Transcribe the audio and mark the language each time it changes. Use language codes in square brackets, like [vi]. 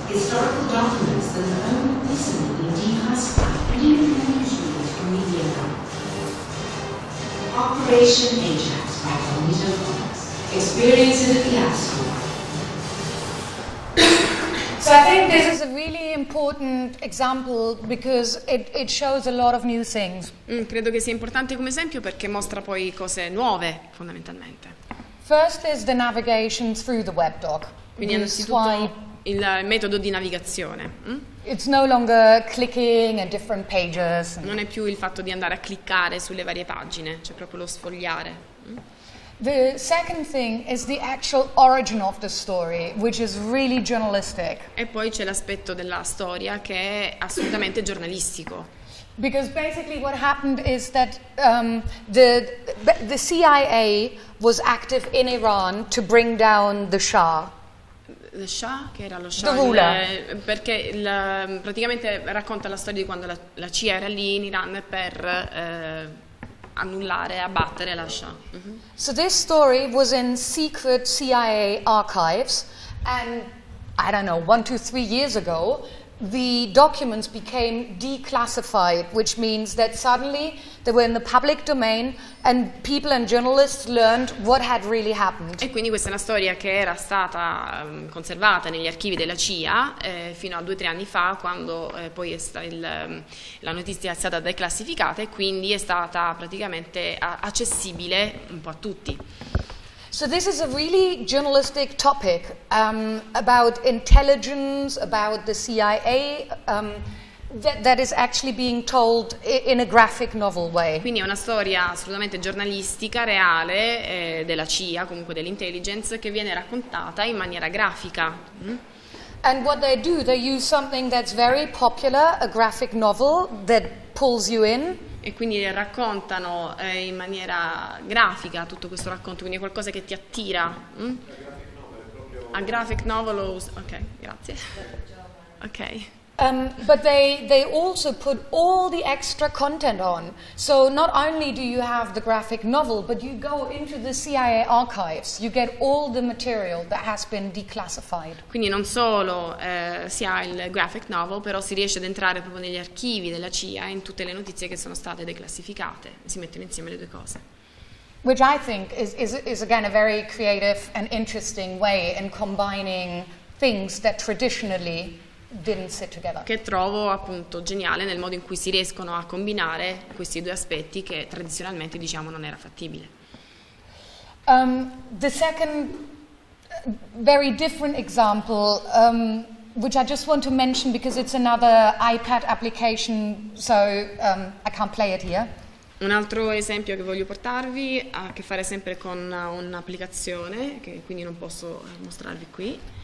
[en] Historical documents that have only recently been declassified, and even unusual from media. Operation Ajax by Tomita Fox. Experience in a fiasco. So I think this is a really important example because it shows a lot of new things. [it] Credo che sia importante come esempio perché mostra poi cose nuove fondamentalmente. [en] First is the navigation through the webdoc. [it] Quindi innanzitutto il metodo di navigazione. [en] It's no longer clicking at different pages. [it] Non è più il fatto di andare a cliccare sulle varie pagine, cioè proprio lo sfogliare. [en] The second thing is the actual origin of the story, which is really journalistic. [it] E poi c'è l'aspetto della storia che è assolutamente giornalistico. [en] Because basically what happened is that the CIA was active in Iran to bring down the Shah. [it] The Shah, che era lo Shah? [en] The ruler. [it] Perché praticamente racconta la storia di quando la CIA era lì in Iran per... annullare, abbattere la Shah. [en] So this story was in secret CIA archives and I don't know, 1, 2, 3 years ago the documents became declassified, which means that suddenly they were in the public domain and people and journalists learned what had really happened. [it] E quindi questa è una storia che era stata conservata negli archivi della CIA fino a 2-3 anni fa, quando poi la notizia è stata declassificata e quindi è stata praticamente accessibile un po' a tutti. [en] So this is a really journalistic topic about intelligence, about the CIA, that is actually being told in a graphic novel way. [it] Quindi è una storia assolutamente giornalistica, reale, della CIA, comunque dell'intelligence, che viene raccontata in maniera grafica. [en] And what they do, they use something that's very popular, a graphic novel that pulls you in. [it] E quindi raccontano in maniera grafica tutto questo racconto, quindi è qualcosa che ti attira. [en] A graphic novel, [it] proprio... [en] A graphic novel, [it] ok, grazie. Ok. [en] But they also put all the extra content on. So not only do you have the graphic novel, but you go into the CIA archives. You get all the material that has been declassified. [it] Quindi non solo si ha il graphic novel, però si riesce ad entrare proprio negli archivi della CIA in tutte le notizie che sono state declassificate. Si mettono insieme le due cose. [en] Which I think is again a very creative and interesting way in combining things that traditionally didn't sit together. [it] Che trovo appunto geniale nel modo in cui si riescono a combinare questi due aspetti che tradizionalmente diciamo non era fattibile. [en] The second very different example, which I just want to mention because it's another iPad application, so I can't play it here. [it] Un altro esempio che voglio portarvi ha a che fare sempre con un'applicazione che quindi non posso mostrarvi qui.